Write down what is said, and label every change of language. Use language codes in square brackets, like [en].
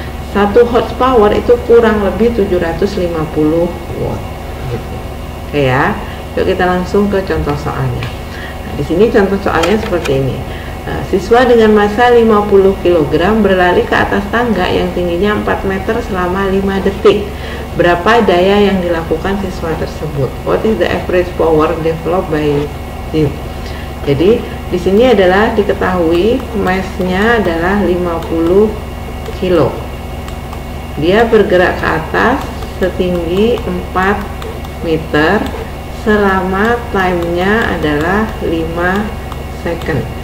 [id] Satu horsepower itu kurang lebih 750 watt. Oke ya. Yuk kita langsung ke contoh soalnya. Nah, di sini contoh soalnya seperti ini. Siswa dengan massa 50 kg berlari ke atas tangga yang tingginya 4 meter selama 5 detik. Berapa daya yang dilakukan siswa tersebut? [en] What is the average power developed by him? [id] Jadi, di sini adalah diketahui massnya adalah 50 kg. Dia bergerak ke atas setinggi 4 meter selama timenya adalah 5 second.